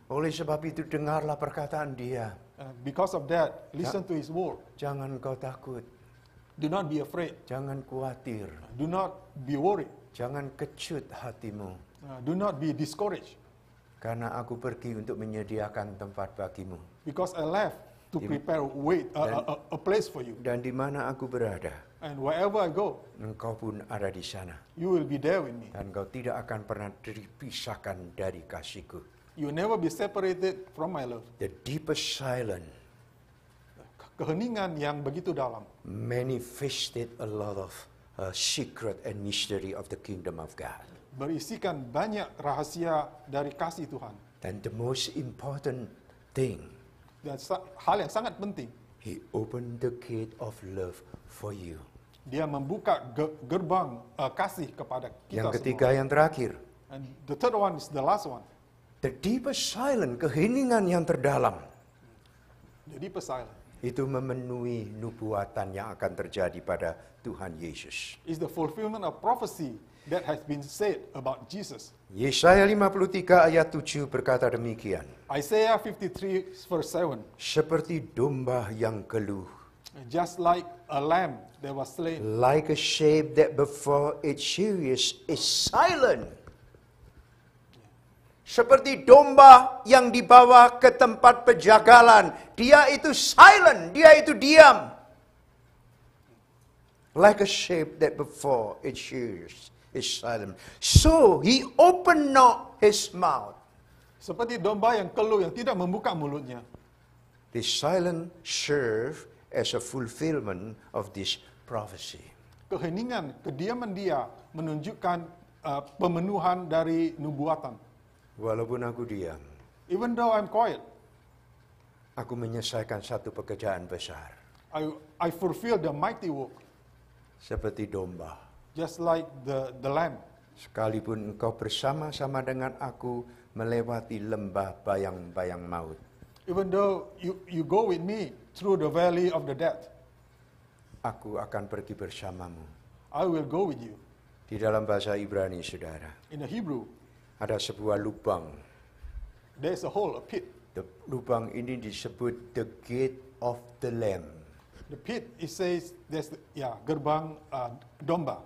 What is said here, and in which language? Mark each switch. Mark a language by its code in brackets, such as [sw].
[id] Oleh sebab itu dengarlah perkataan Dia. [en] Because of that, listen to his word. [id] Jangan kau takut. [en] Do not be afraid. [id] Jangan khawatir. [en] Do not be worried. [id] Jangan kecut hatimu. [en] Do not be discouraged. [id] Karena aku pergi untuk menyediakan tempat bagimu. [en] Because I left to prepare a place for you. [id] Dan di mana aku berada. [en] And wherever I go. [id] Engkau pun ada di sana. [en] You will be there with me. [id] Dan kau tidak akan pernah terpisahkan dari kasih-Ku. [en] You never be separated from my love. The deepest silence. [id] Keheningan yang begitu dalam. [en] Manifested a lot of secret and mystery of the kingdom of God. [id] Berisikan banyak rahasia dari kasih Tuhan. [en] And the most important thing. [id] Dan hal yang sangat penting. [en] He opened the gate of love for you. [id] Dia membuka gerbang kasih kepada kita semua. Yang ketiga, yang terakhir. [en] And the third one is the last one. The deepest silence, [id] keheningan yang terdalam. [en] The deepest silence. [id] Itu memenuhi nubuatan yang akan terjadi pada Tuhan Yesus. [en] Is the fulfillment of prophecy that has been said about Jesus. [id] Yesaya 53 ayat 7 berkata demikian. [en] Isaiah 53 verse 7. [id] Seperti domba yang keluh. [en] Just like a lamb that was slain. Like a sheep that before its shearers is silent. [id] Seperti domba yang dibawa ke tempat penjagalan. Dia itu silent. Dia itu diam. [en] Like a sheep that before its shears is silent. So he opened not his mouth. [id] Seperti domba yang keluh yang tidak membuka mulutnya. [en] The silent serve as a fulfillment of this prophecy. [id] Keheningan, kediaman dia menunjukkan pemenuhan dari nubuatan. Walaupun aku diam. [en] Even though I'm quiet. [id] Aku menyelesaikan satu pekerjaan besar. [en] I fulfill the mighty work. [id] Seperti domba. [en] Just like the lamb. [id] sekalipun engkau bersama-sama dengan aku melewati lembah bayang-bayang maut. [en] Even though you go with me through the valley of the death, [id] aku akan pergi bersamamu. [en] I will go with you. [id] Di dalam bahasa Ibrani, saudara, [en] in the Hebrew, [id] ada sebuah lubang. [en] There is a hole, a pit. The [id] lubang ini disebut [en] the gate of the lamb. The pit, it says, there's [id] gerbang domba.